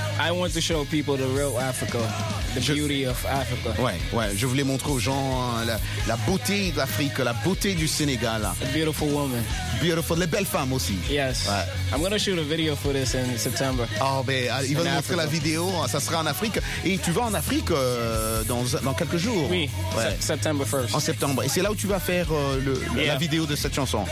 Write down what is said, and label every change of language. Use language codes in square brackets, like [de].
[en] I want to show people the real Africa, the beauty of Africa. [fr] Ouais. Je voulais montrer aux gens la beauté de l'Afrique, la beauté du Sénégal. [en] A beautiful woman. [fr] Beautiful, les belles femmes aussi. [en] Yes. Ouais. I'm going to shoot a video for this in September. [fr] Oh, ben, ils vont montrer la vidéo, ça sera en Afrique. Et tu vas en Afrique dans quelques jours. Oui, ouais. [en] September 1st. [fr] En septembre. Et c'est là où tu vas faire la vidéo de cette chanson.